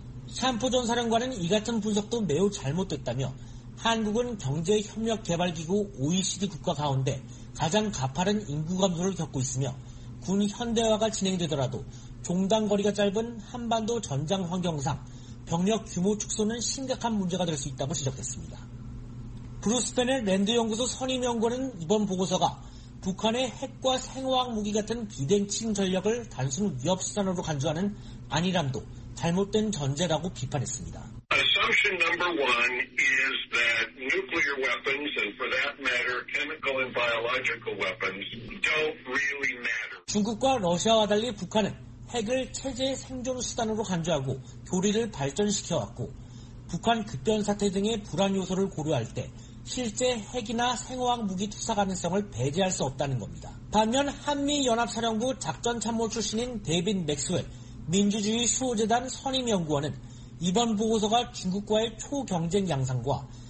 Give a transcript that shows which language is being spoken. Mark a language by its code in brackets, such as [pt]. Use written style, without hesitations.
[ko] 샴포 전 사령관은 이 같은 분석도 매우 잘못됐다며 한국은 경제협력개발기구 OECD 국가 가운데 가장 가파른 인구 감소를 겪고 있으며 군 현대화가 진행되더라도 종단거리가 짧은 한반도 전장 환경상 병력 규모 축소는 심각한 문제가 될 수 있다고 지적했습니다. 브루스펜의 랜드연구소 선임연구원은 이번 보고서가 북한의 핵과 생화학 무기 같은 비대칭 전력을 단순 위협수단으로 간주하는 안일함도 잘못된 전제라고 비판했습니다. [en] Assumption number one is that nuclear weapons and for that matter chemical and biological weapons don't really matter. [ko] 중국과 러시아와 달리 북한은 핵을 체제의 생존 수단으로 간주하고 교리를 발전시켜 왔고 북한 급변 사태 등의 불안 요소를 고려할 때 실제 핵이나 생화학 무기 투사 가능성을 배제할 수 없다는 겁니다. 반면 한미 연합 사령부 작전 참모 출신인 데빈 맥스웰 민주주의 수호재단 선임연구원은 이번 보고서가 중국과의 초경쟁 양상과